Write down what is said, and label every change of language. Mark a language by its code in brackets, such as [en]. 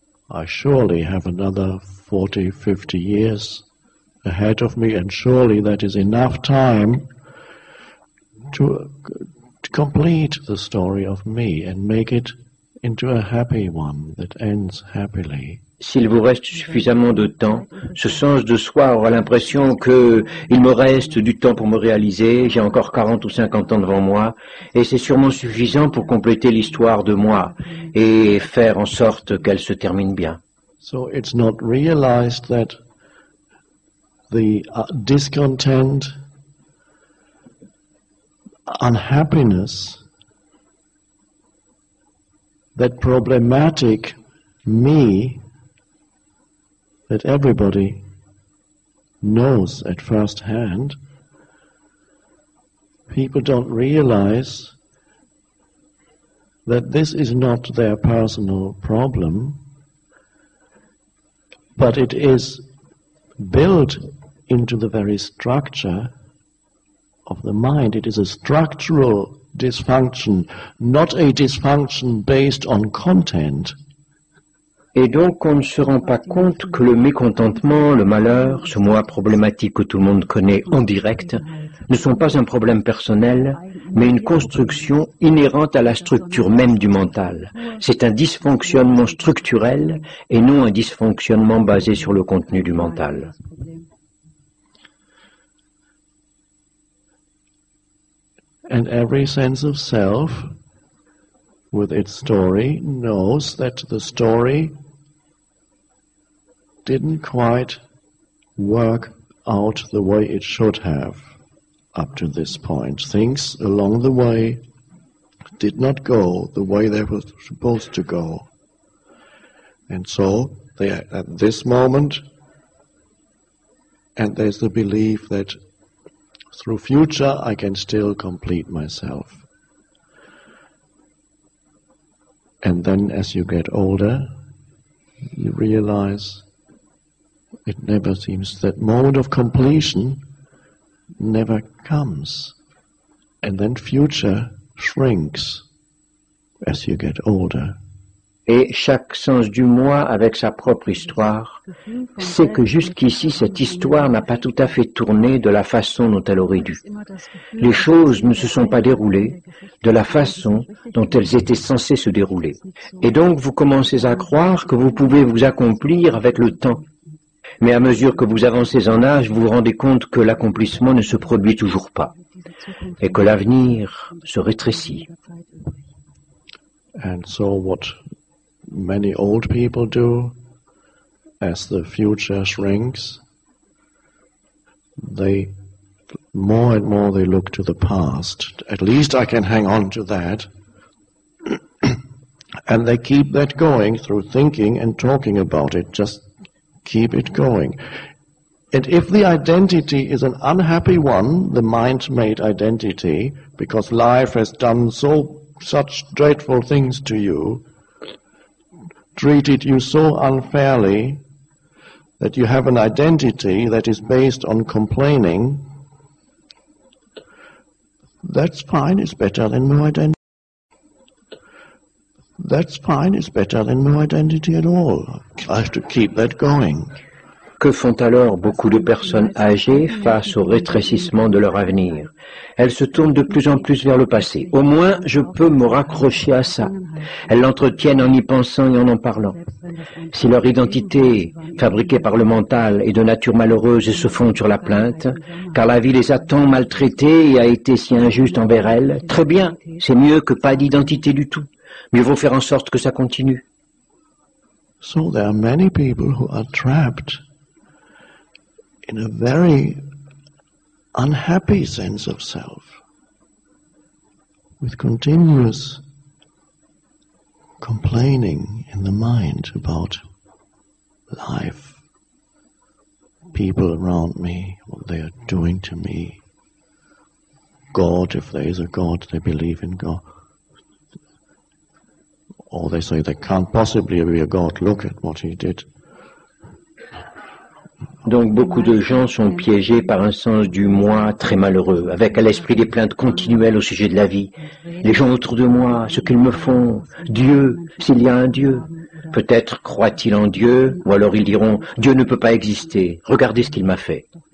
[en] I surely have another 40, 50 years ahead of me, and surely that is enough time to complete the story of me and make it into a happy one that ends happily. [fr] S'il vous reste suffisamment de temps, ce sens de soi aura l'impression que il me reste du temps pour me réaliser, j'ai encore 40 ou 50 ans devant moi, et c'est sûrement suffisant pour compléter l'histoire de moi et faire en sorte qu'elle se termine bien. [en] So it's not realized that the discontent, unhappiness, that problematic me that everybody knows at first hand, people don't realize that this is not their personal problem, but it is built into the very structure of the mind. It is a structural dysfunction, not a dysfunction based on content. [fr] Et donc on ne se rend pas compte que le mécontentement, le malheur, ce moi problématique que tout le monde connaît en direct, ne sont pas un problème personnel, mais une construction inhérente à la structure même du mental. C'est un dysfonctionnement structurel et non un dysfonctionnement basé sur le contenu du mental. [en] And every sense of self, with its story, knows that the story didn't quite work out the way it should have up to this point. Things along the way did not go the way they were supposed to go. And so, they are at this moment, and there's the belief that through future I can still complete myself. And then as you get older, you realize it never seems, that moment of completion never comes. And then future shrinks as you get older. [fr] Et chaque sens du moi, avec sa propre histoire, sait que jusqu'ici, cette histoire n'a pas tout à fait tourné de la façon dont elle aurait dû. Les choses ne se sont pas déroulées de la façon dont elles étaient censées se dérouler. Et donc, vous commencez à croire que vous pouvez vous accomplir avec le temps. Mais à mesure que vous avancez en âge, vous vous rendez compte que l'accomplissement ne se produit toujours pas et que l'avenir se rétrécit. [en] And so what many old people do, as the future shrinks, they more and more they look to the past. At least I can hang on to that. And they keep that going through thinking and talking about it, just keep it going. And if the identity is an unhappy one, the mind-made identity, because life has done so such dreadful things to you, treated you so unfairly, that you have an identity that is based on complaining, that's fine, it's better than no identity. That's fine, it's better than no identity at all. I have to keep that going. [fr] Que font alors beaucoup de personnes âgées face au rétrécissement de leur avenir? Elles se tournent de plus en plus vers le passé. Au moins, je peux me raccrocher à ça. Elles l'entretiennent en y pensant et en parlant. Si leur identité, fabriquée par le mental, est de nature malheureuse et se fonde sur la plainte, car la vie les a tant maltraitées et a été si injuste envers elles, très bien, c'est mieux que pas d'identité du tout. Mieux vaut faire en sorte que ça continue. [en] So there are many people who are trapped in a very unhappy sense of self, with continuous complaining in the mind about life, people around me, what they are doing to me, God, if there is a God, they believe in God. Or they say there can't possibly be a God, look at what he did. [fr] Donc beaucoup de gens sont piégés par un sens du moi très malheureux, avec à l'esprit des plaintes continuelles au sujet de la vie. Les gens autour de moi, ce qu'ils me font, Dieu, s'il y a un Dieu. Peut-être croient-ils en Dieu, ou alors ils diront, Dieu ne peut pas exister, regardez ce qu'il m'a fait.